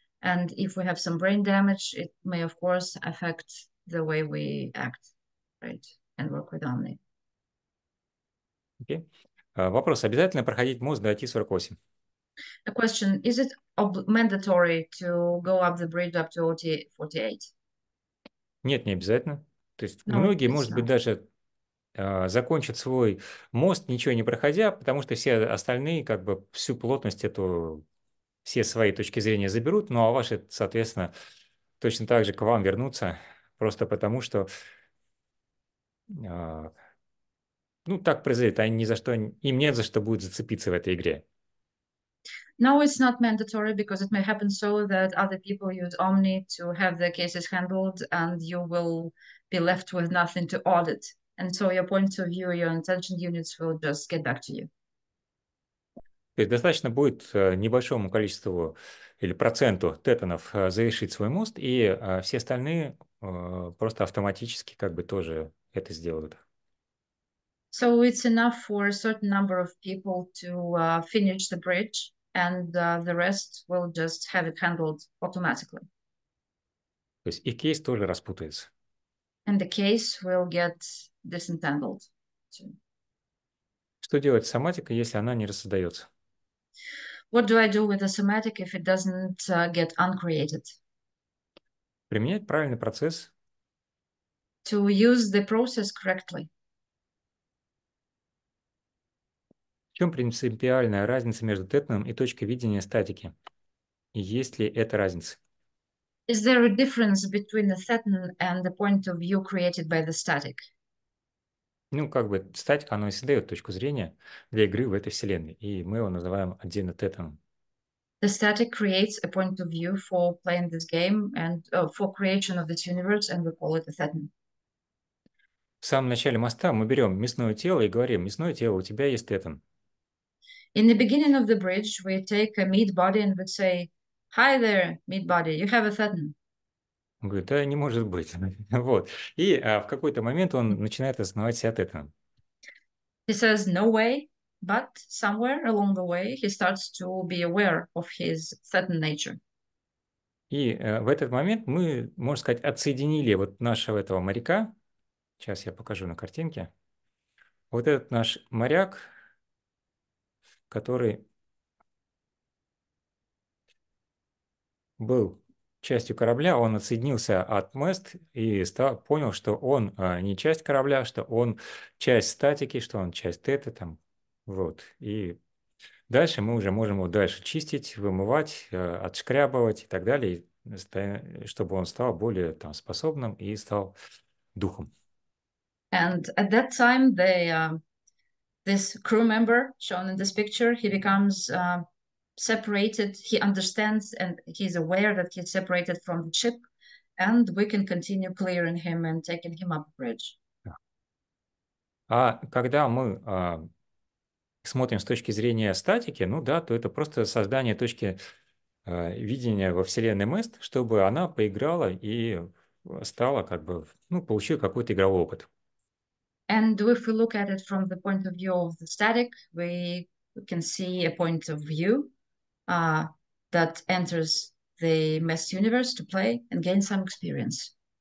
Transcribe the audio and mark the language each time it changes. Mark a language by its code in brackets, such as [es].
[en] And if we have some brain damage, it may, of course, affect the way we act, right? And work with Omni. Okay. [ru] Вопрос. Обязательно проходить мост до IT-48? [en] The question is it mandatory to go up the bridge up to OT 48? [ru] Нет, не обязательно. То есть [en] No, [ru] многие, может [en] not. [ru] Быть, даже закончат свой мост, ничего не проходя, потому что все остальные, как бы всю плотность эту, все свои точки зрения заберут, ну а ваши, соответственно, точно так же к вам вернутся, просто потому что ну, так произойдет, они ни за что, им нет за что будет зацепиться в этой игре. [en] No, it's not mandatory because it may happen so that other people use Omni to have their cases handled and you will be left with nothing to audit. And so your points of view, your intention units will just get back to you. [ru] То есть достаточно будет небольшому количеству или проценту тетанов завершить свой мост, и все остальные просто автоматически как бы тоже это сделают. [en] So it's enough for a certain number of people to finish the bridge. And the rest will just have it handled automatically. [ru] То есть и кейс тоже распутается. [en] And the case will get disentangled too. [ru] Что делать с соматикой, если она не рассоздается? [en] What do I do with the somatic if it doesn't get uncreated? [ru] Применять правильный процесс. [en] To use the process correctly. [ru] В чем принципиальная разница между тетаном и точкой видения статики? И есть ли эта разница? [en] Is there a difference between the theton and the point of view created by the static? [ru] Ну, как бы статика, она и создает точку зрения для игры в этой вселенной, и мы его называем отдельно тетаном. [en] The static creates a point of view for playing this game and for creation of this universe, and we call it a theton. [ru] В самом начале моста мы берем мясное тело и говорим: мясное тело, у тебя есть тетан. [en] In the beginning of the bridge, we take a meat body and we say, "Hi there, meat body, you have a thetan." [ru] Он говорит: да, не может быть. Вот. И в какой-то момент он начинает осознавать себя тетаном. [en] He says, "No way," but somewhere along the way, he starts to be aware of his thetan nature. [ru] И в этот момент мы, можно сказать, отсоединили вот нашего этого моряка. Сейчас я покажу на картинке. Вот этот наш моряк, который был частью корабля, он отсоединился от мест и понял, что он не часть корабля, что он часть статики, что он часть тета там. Вот. И дальше мы уже можем его дальше чистить, вымывать, отшкрябывать и так далее, чтобы он стал более там способным и стал духом. [en] And at that time, they, this crew member shown in this picture, he becomes separated. He understands and he's aware that he's separated from the ship, and we can continue clearing him and taking him up the bridge. [ru] А когда мы смотрим с точки зрения статики, ну да, то это просто создание точки видения во вселенной Мест, чтобы она поиграла и стала как бы, ну, получила какой-то игровой опыт. [en] And if we look at it from the point of view of the static, we can see a point of view that enters the mess universe to play and gain some experience.